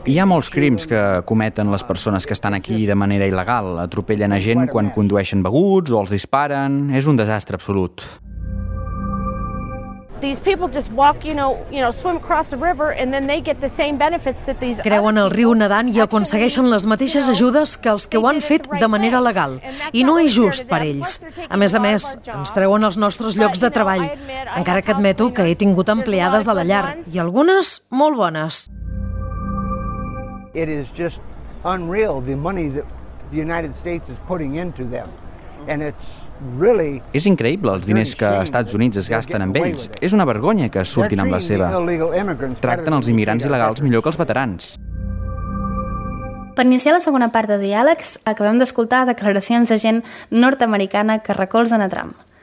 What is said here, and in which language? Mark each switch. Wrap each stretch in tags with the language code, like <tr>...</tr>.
<ca>Hi ha molts crims que cometen les persones que estan aquí de manera il·legal. Atropellen a gent quan condueixen beguts o els disparen. És un desastre absolut.</ca> <en>These people just walk, you know, swim across the river and then they get the same benefits that these.</en> <ca>Creuen el riu nedant i aconsegueixen les mateixes ajudes que els que ho han fet de manera legal. I no és just per ells. A més, ens treuen els nostres llocs de treball. Encara que admeto que he tingut empleades de la llar i algunes molt bones.</ca> <en>It is just unreal the money that the United States is putting into them. And it's really.</en> <ca>És increïble els diners que els Estats Units es gasten amb ells. És una vergonya que surtin amb la seva. Tracten els immigrants il·legals millor que els veterans. Per iniciar la segona part de diàlegs, acabem d'escoltar declaracions de gent nord-americana que recolzen a Trump.</ca>